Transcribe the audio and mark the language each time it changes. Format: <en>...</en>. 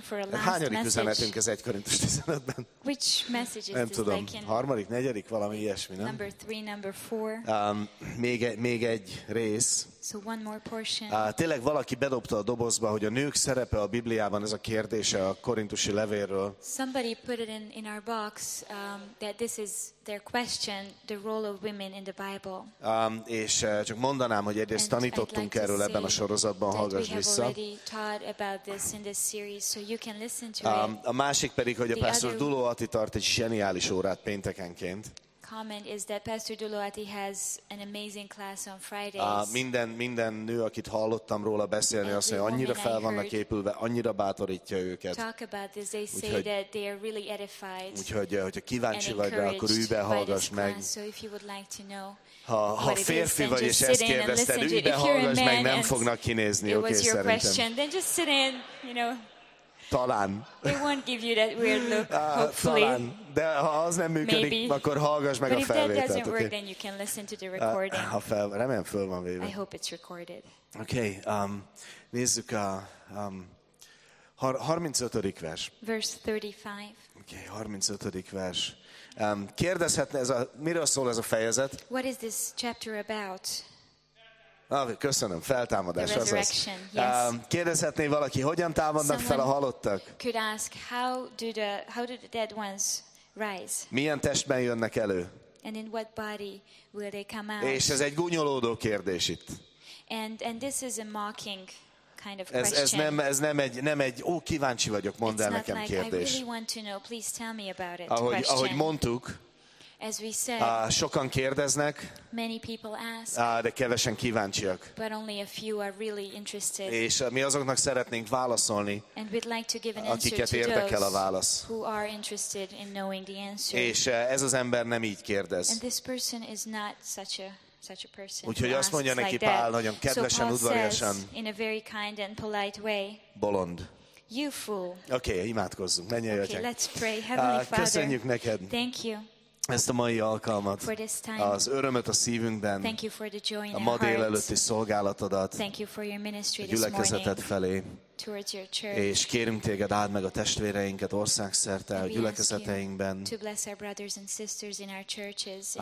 <hu>Hányadik üzenetünk ez 1 Korintus 15-ben?</hu> <en>Which message is</en> <hu>nem tudom,</hu> <en>like</en> <hu>harmadik, negyedik, valami ilyesmi, nem?</hu> <en>Number three, number four.</en> <hu>Még egy rész.</hu> <en>So one more portion.</en> <hu>Tényleg valaki bedobta a dobozba, hogy a nők szerepe a Bibliában, ez a kérdése a korintusi levélről.</hu> <en>Somebody put it in our box that this is their question, the role of women in the Bible.</en> <hu>És csak mondanám, hogy egyrészt tanítottunk erről ebben a sorozatban, hallgass vissza.</hu> <en>We have already taught about this in this series, so you can listen to it.</en> <hu>A másik pedig, hogy a pásztor Dulo Ati tart egy zseniális órát péntekenként.</hu> <en>Comment is that Pastor Duloati has an amazing class on Fridays.</en> <hu>Minden nő, akit hallottam róla beszélni, azt mondja, annyira fel vannak képülve, annyira bátorítja őket.</hu> <en>Talk about this, they say that they are really edified.</en> <hu>Úgyhogy, hogyha kíváncsi vagy rá, akkor ülj be, hallgass meg.</hu> <en>So if you would like to know.</en> <hu>Ha férfi vagy és ezt kérdezted, ülj be, hallgass meg, nem fognak kinézni, oké, szerintem. Talán.</hu> <en>They won't give you that weird look, hopefully.</en> <hu>Talán. De ha az nem működik,</hu> <en>maybe,</en> <hu>akkor hallgass meg</hu> <en>but</en> <hu>a felvételt.</hu> <en>But if that doesn't work, okay, then you can listen to the recording.</en> <hu>Remélem föl van véve.</hu> <en>I hope it's recorded.</en> <hu>Okay, nézzük a 35. vers.</hu> <en>Verse 35.</en> <hu>Okay, 35. vers. Kérdezhetne, miről szól ez a fejezet?</hu> <en>What is this chapter about?</en> <hu>Köszönöm, feltámadás, azaz.</hu> <en>Yes.</en> <hu>Kérdezhetné valaki, hogyan támadnak</hu> <en>someone</en> <hu>fel a halottak?</hu> <en>Could ask, how do the dead ones rise?</en> <hu>Milyen testben jönnek elő?</hu> <en>And in what body will they come out?</en> <hu>És ez egy gúnyolódó kérdés itt.</hu> <en>And this is a mocking kind of question.</en> <hu>Ez nem egy ó, kíváncsi vagyok, mondd el nekem,</hu> <en>like,</en> <hu>kérdés.</hu> <en>I really want to know, please tell me about it.</en> <hu>Ahogy mondtuk,</hu> <en>as we said,</en> <hu>sokan kérdeznek,</hu> <en>many people ask,</en> <hu>de kevesen kíváncsiak.</hu> <en>But only a few are really interested.</en> <hu>És mi azoknak szeretnénk válaszolni,</hu> <en>and we'd like to give an answer,</en> <hu>akiket érdekel a válasz.</hu> <en>Who are interested in knowing the answer.</en> <hu>És ez az ember nem így kérdez.</hu> <en>And this person is not such a person.</en> <hu>Úgyhogy azt mondja neki Pál nagyon kedvesen, udvariasan,</hu> <en>in a very kind and polite way,</en> <hu>bolond.</hu> <en>You fool.</en> <hu>Okay, imádkozzunk. Menj el,</hu> <en>okay, let's pray. Heavenly Father,</en> <hu>köszönjük neked.</hu> <en>Thank you.</en> <hu>Ezt a mai alkalmat, az örömet a szívünkben, a ma délelőtti szolgálatodat, a gyülekezeted felé,</hu> <en>towards your church.</en> <hu>És kérünk téged, áld meg a testvéreinket országszerte, a gyülekezeteinkben.</hu> <en>To bless our brothers and sisters in our churches in</en>